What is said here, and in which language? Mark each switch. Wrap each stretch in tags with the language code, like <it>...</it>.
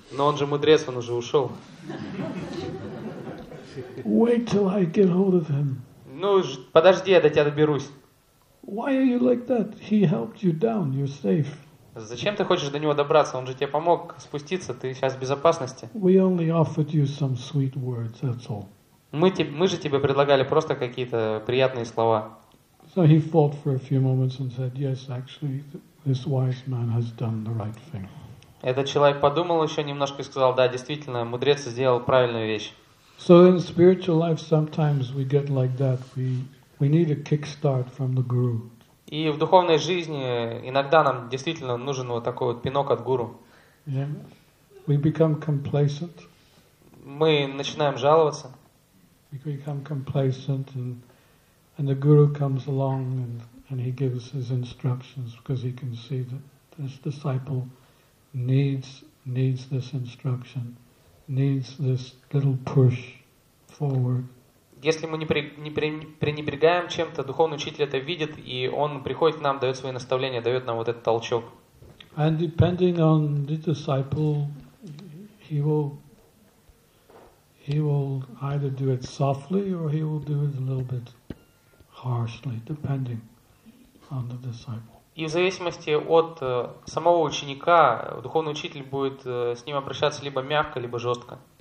<ru>Но он же мудрец, он уже ушел.</ru> <en>Wait till I get hold of him.</en> <ru>Ну, подожди, я до тебя доберусь.</ru> <en>Why are you like that? He helped you down. You're safe.</en> <ru>Зачем ты хочешь до него добраться? Он же тебе помог спуститься. Ты сейчас в безопасности.</ru> <en>We only offered you some sweet words, that's all.</en> <ru>Мы же тебе предлагали просто какие-то приятные слова.</ru> <en>So he fought for a few moments and said, yes, actually, this wise man has done the right thing.</en> <ru>Этот человек подумал еще немножко и сказал, да, действительно, мудрец сделал правильную вещь.</ru> <en>So in spiritual life sometimes we get like that. We need a kickstart from the guru.</en> <ru>И в духовной жизни иногда нам действительно нужен вот такой вот пинок от гуру.</ru> <en>Yeah. We become complacent.</en> <ru>Мы начинаем жаловаться.</ru> <en>We become complacent and the guru comes along and he gives his instructions because he can see that this disciple needs this instruction. Needs this little push forward.</en> <ru>Если мы не пренебрегаем чем-то, духовный учитель это видит, и он приходит к нам, дает свои наставления, дает нам вот этот толчок.</ru> <en>And depending on the disciple, he will either do it softly or he will do it a little bit harshly, depending on the disciple.</en> <ru>И в зависимости от самого ученика, духовный учитель будет с ним обращаться либо мягко, либо жестко.</ru>